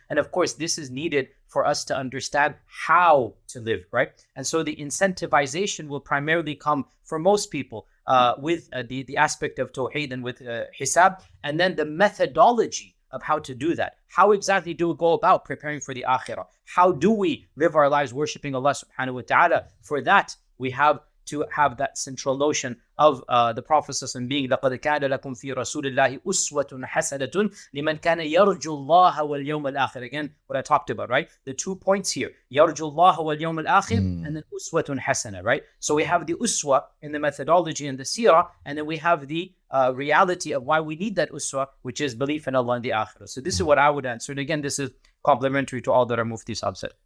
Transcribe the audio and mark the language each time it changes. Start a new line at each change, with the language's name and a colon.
English: And of course, this is needed for us to understand how to live, right? And so the incentivization will primarily come for most people with the aspect of Tawheed and with Hisab. And then the methodology of how to do that. How exactly do we go about preparing for the Akhirah? How do we live our lives worshiping Allah subhanahu wa ta'ala? For that, we have to have that central notion of the Prophet being
Arabic: لَقَدْ كَانَ لَكُمْ فِي رَسُولِ اللَّهِ أُسْوَةٌ حَسَنَةٌ لِمَنْ كَانَ يَرْجُ اللَّهَ وَالْيَوْمَ الْآخِرِ.
English: Again, what I talked about, right? The two points here,
Arabic: يَرْجُ اللَّهَ وَالْيَوْمَ الْآخِرِ
English: and then
Arabic: أُسْوَةٌ حَسَنَةٌ,
English: right? So we have the uswa in the methodology and the seerah, and then we have the reality of why we need that uswa, which is belief in Allah and the Akhirah. So this is what I would answer. And again, this is complementary to all that our Mufti Saab said.